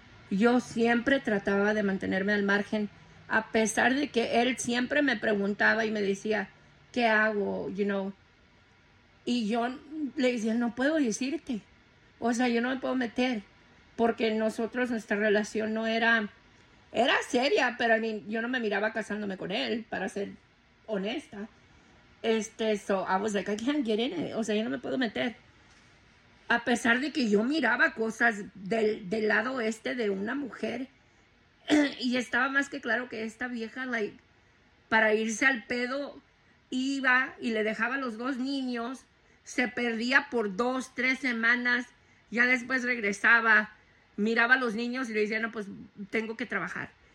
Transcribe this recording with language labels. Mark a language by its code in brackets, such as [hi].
[es] Yo siempre trataba de mantenerme al margen, a pesar de que él siempre me preguntaba y me decía, ¿qué hago? [en] You know. [es] Y yo le decía, no puedo decirte. O sea, yo no me puedo meter. Porque nosotros, nuestra relación no era... Era seria, pero yo no me miraba casándome con él, para ser honesta. [en] So I was like, I can't get in it. [es] O sea, yo no me puedo meter. A pesar de que yo miraba cosas del lado este de una mujer. Y estaba más que claro que esta vieja, like, para irse al pedo, iba y le dejaba los dos niños, se perdía por 2-3 semanas, ya después regresaba, miraba a los niños y le decía, no, pues tengo que trabajar.